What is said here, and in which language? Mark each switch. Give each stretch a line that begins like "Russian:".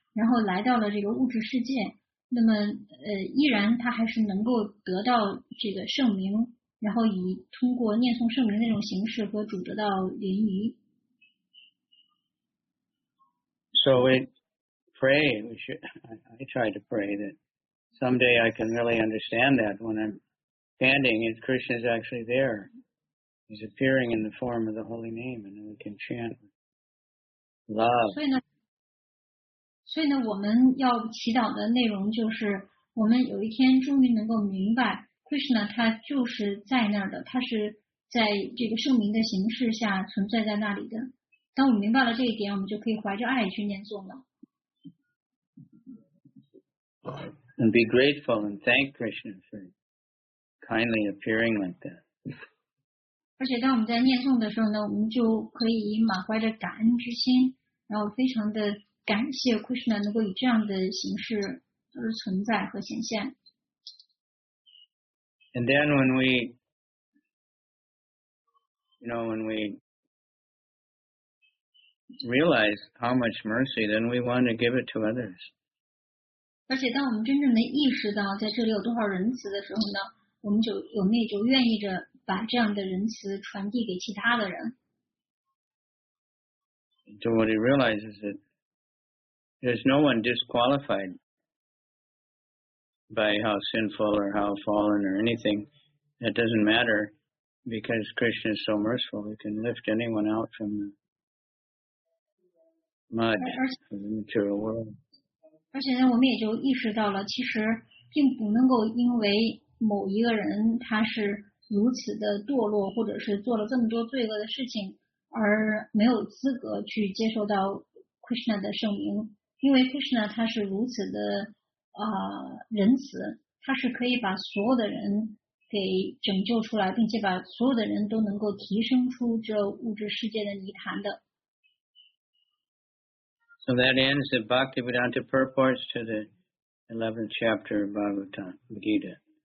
Chinese: 然后来到了这个物质世界，那么依然他还是能够得到这个圣名，然后以通过念诵圣名那种形式和主得到联谊。
English: So we pray. We should. I try to pray that someday I can really understand that when I'm standing, if Krishna is actually there, he's appearing in the form of the holy name, and we can chant love.
Chinese: 所以呢。所以呢，我们要祈祷的内容就是，我们有一天终于能够明白 ，Krishna 他就是在那儿的，他是在这个圣名的形式下存在在那里的。当我们明白了这一点，我们就可以怀着爱去念诵了。
English: And be grateful and thank Krishna for kindly appearing like that.
Chinese: 而且当我们在念诵的时候呢，我们就可以满怀着感恩之心。然后非常的感谢 Krishna 能够以这样的形式而存在和显现。
English: And then when we, you know, when we realize how much mercy, then we want to give it to others.
Chinese: 而且当我们真正的意识到在这里有多少仁慈的时候呢，我们就有内就愿意着把这样的仁慈传递给其他的人。
English: So what he realizes is there's no one disqualified by how sinful or how fallen or anything. It doesn't matter because Krishna is so merciful. He can lift anyone out from the mud of the material world.
Chinese: 而且呢，我们也就意识到了，其实并不能够因为某一个人他是如此的堕落，或者是做了这么多罪恶的事情。而没有资格去接受到 Krishna 的圣名，因为 Krishna 他是如此的仁慈，他是可以把所有的人给拯救出来，并且把所有的人都能够提升出这物质世界的泥潭的。
English: So that ends the Bhaktivedanta purports to the 11th chapter of Bhagavad Gita.